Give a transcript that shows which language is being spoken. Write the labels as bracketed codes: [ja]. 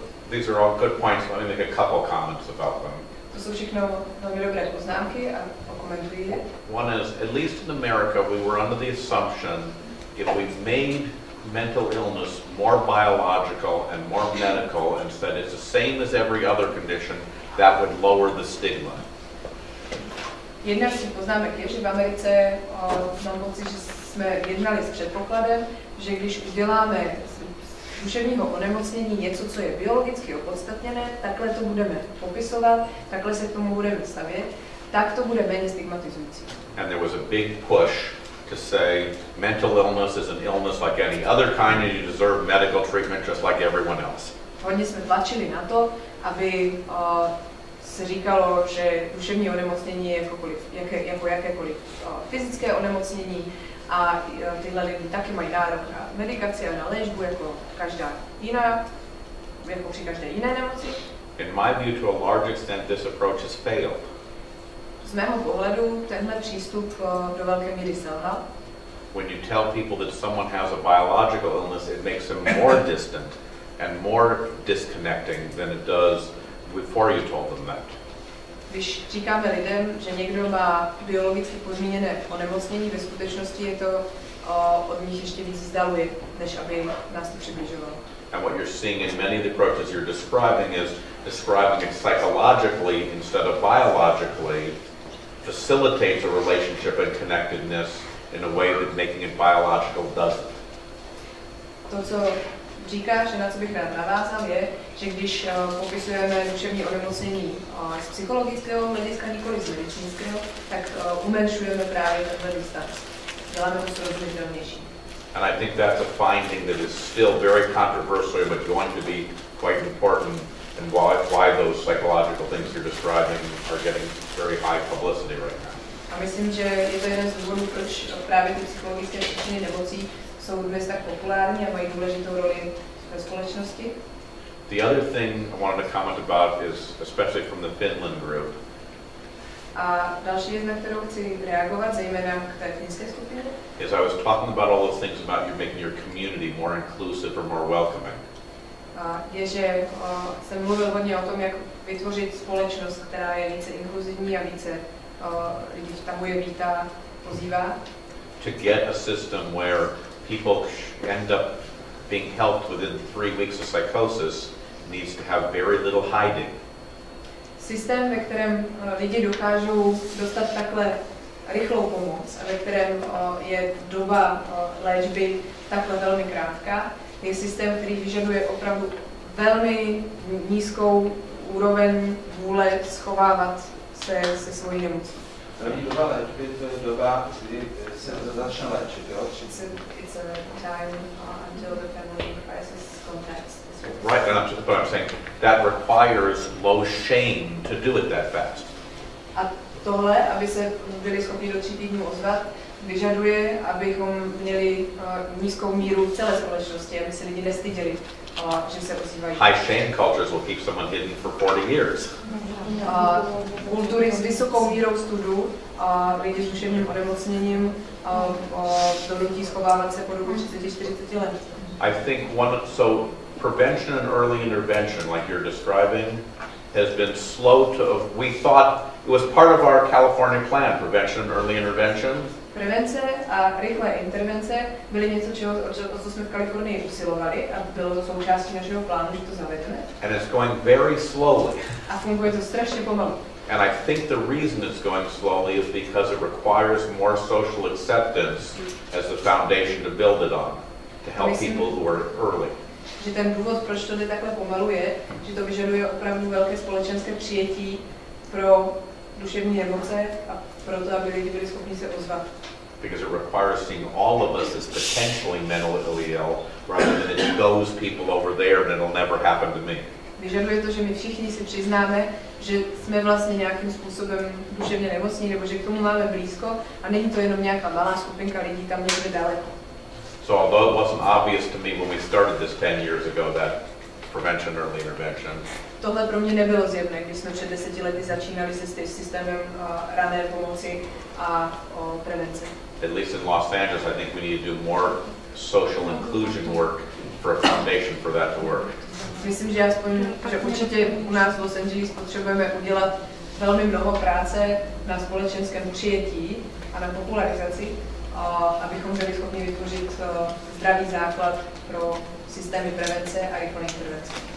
[en] These are all good points. Let me make a couple comments about them. [cs] To jsou všechno velmi dobré poznámky a komentuji je. [en] One is, at least in America, we were under the assumption if we made mental illness more biological and more medical and said it's the same as every other condition, that would lower the stigma. [cs] Jedna z těch poznámek je, že v Americe mám pocit, že jsme jednali s předpokladem, že když uděláme duševního onemocnění, něco, co je biologicky opodstatněné, takhle to budeme popisovat, takhle se k tomu budeme stavět, tak to bude méně stigmatizující. [en] And there was a big push to say mental illness is an illness like any other kind and you deserve medical treatment just like everyone else. [cs] Hodně jsme tlačili na to, aby se říkalo, že duševní onemocnění je jakékoliv fyzické onemocnění, a tyhle lidi taky mají nárok na medikaci a na léčbu jako každá jiná, jako při každé jiné nemoci. [en] In my view, to a large extent, this approach has failed. [cs] Z mého pohledu tenhle přístup do velké míry selhal. [en] When you tell people that someone has a biological illness, it makes them more distant and more disconnecting than it does before you told them that. [cs] Když říkáme lidem, že někdo má biologicky podmíněné onemocnění, ve skutečnosti je to od nich ještě víc vzdaluje, než aby nás to přibližovalo. [en] And what you're seeing in many of the approaches you're describing is describing it psychologically instead of biologically facilitates a relationship and connectedness in a way that making it biological doesn't. [cs] To, co říkáš, na co bych rád navázal, je, že když popisujeme duševní onemocnění z psychologického hlediska, nikoli z medicínského, tak umenšujeme právě tenhle dostat. Děláme to srozumitelnější. [en] And I think that's a finding that is still very controversial, but going to be quite important, and why those psychological things you're describing are getting very high publicity right now. [cs] A myslím, že je to jeden z důvodů, proč právě ty psychologické příčiny nemocí jsou dnes tak populární a mají důležitou roli ve společnosti. [en] The other thing I wanted to comment about is, especially from the Finland group. [cs] A další věc, na kterou chci reagovat, zejména k té finské skupině. [en] Is I was talking about all those things about you making your community more inclusive or more welcoming. [cs] Jsem mluvil hodně o tom, jak vytvořit společnost, která je více inkluzivní a více lidí vtahuje, vítá, pozývá. [en] To get a system where people end up being helped within 3 weeks of psychosis needs to have very little hiding. [cs] Systém, ve kterém lidi dokážou dostat takhle rychlou pomoc a ve kterém je doba léčby takhle velmi krátká, je systém, který vyžaduje opravdu velmi nízkou úroveň vůle schovávat se svojí nemocí. První doba léčby, to je doba, kdy se začne léčit, jo? [en] It's a time until the family crisis contacts. Right, and that's what I'm saying. That requires low shame to do it that fast. [cs] A tohle, aby se byli schopni do 3 týdnů ozvat, vyžaduje, abychom měli nízkou míru celé společnosti, aby se lidi nestyděli, že se ozývají. [en] High shame cultures will keep someone hidden for 40 years. [cs] Kultury s vysokou mírou studu a lidi s duševním onemocněním donutí schovávat se po dobu 30-40 let. [en] I think prevention and early intervention, like you're describing, has been slow to, we thought it was part of our California plan, prevention and early intervention. [cs] Prevence a rychlé intervence byly něco, o co jsme v Kalifornii usilovali a bylo to součástí našeho plánu, že to zavedeme. [en] And it's going very slowly. [cs] A funguje to strašně pomalu. [en] And I think the reason it's going slowly is because it requires more social acceptance as the foundation to build it on, to help people who are early. [cs] Že ten důvod, proč to jde takhle pomalu, je, že to vyžaduje opravdu velké společenské přijetí pro duševní nemoce a pro to, aby lidi byli schopni se ozvat. [en] Because it requires seeing all of us as potentially mentally ill, rather than it goes people over there and it'll never happen to me. [cs] Vyžaduje to, že my všichni si přiznáme, že jsme vlastně nějakým způsobem duševně nemocní, nebo že k tomu máme blízko a není to jenom nějaká malá skupinka lidí tam někde daleko. [en] So although it wasn't obvious to me when we started this 10 years ago, that prevention, early intervention. [cs] Tohle pro mě nebylo zjevné, když jsme před 10 lety začínali se systémem rané pomoci a prevence. [en] At least in Los Angeles, I think we need to do more social inclusion work for a foundation for that to work. [cs] Myslím, že aspoň, že určitě u nás v Los Angeles potřebujeme udělat velmi mnoho práce na společenském přijetí a na popularizaci. Abychom byli schopni vytvořit zdravý základ pro systémy prevence a rychlé intervence.